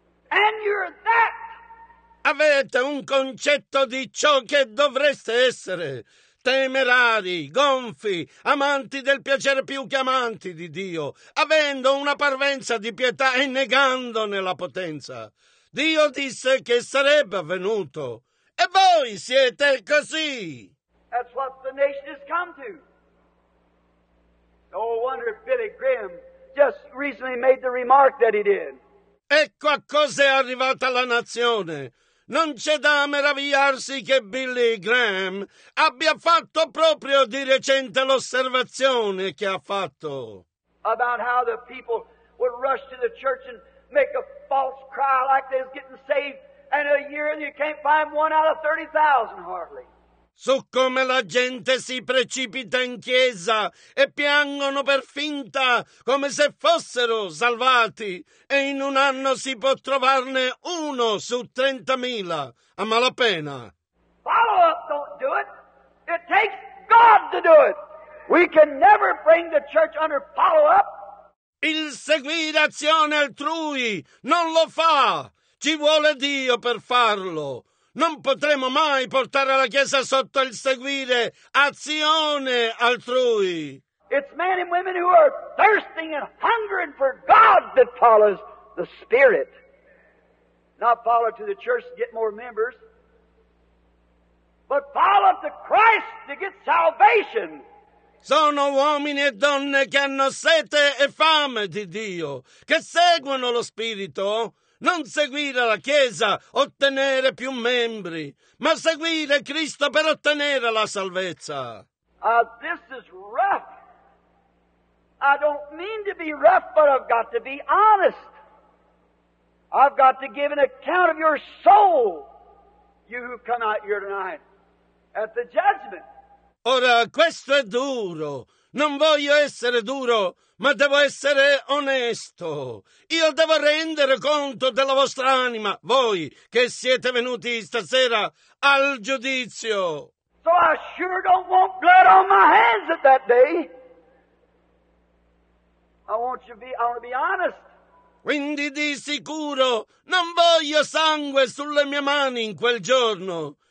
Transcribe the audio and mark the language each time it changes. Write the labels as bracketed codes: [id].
[en] And you're that. [it] Avete un concetto di ciò che dovreste essere. Temerari, gonfi, amanti del piacere più che amanti di Dio, avendo una parvenza di pietà e negandone la potenza. Dio disse che sarebbe avvenuto. E voi siete così. [en] That's what the nation has come to. No wonder Billy Graham just recently made the remark that he did. [it] Ecco a cosa è arrivata la nazione. Non c'è da meravigliarsi che Billy Graham abbia fatto proprio di recente l'osservazione che ha fatto. [en] About how the people would rush to the church and make a false cry like they was getting saved, and a year and you can't find one out of 30,000 hardly. [it] Su come la gente si precipita in chiesa e piangono per finta come se fossero salvati e in un anno si può trovarne uno su 30,000 a malapena. [en] Follow up, don't do it. It takes God to do it. We can never bring the church under follow up. [it] Il seguire azione altrui non lo fa. Ci vuole Dio per farlo. Non potremo mai portare la Chiesa sotto il seguire azione altrui. [en] It's men and women who are thirsting and hungering for God that follows the Spirit. Not follow to the church to get more members, but follow to Christ to get salvation. [it] Sono uomini e donne che hanno sete e fame di Dio, che seguono lo Spirito. Non seguire la Chiesa, ottenere più membri, ma seguire Cristo per ottenere la salvezza. [en] This is rough. I don't mean to be rough, but I've got to be honest. I've got to give an account of your soul, you who come out here tonight, at the judgment. [it] Ora, questo è duro. Non voglio essere duro, ma devo essere onesto. Io devo rendere conto della vostra anima, voi che siete venuti stasera al giudizio. [en] So I sure don't want blood on my hands at that day. I want to be honest. [it] Quindi di sicuro non voglio sangue sulle mie mani in quel giorno.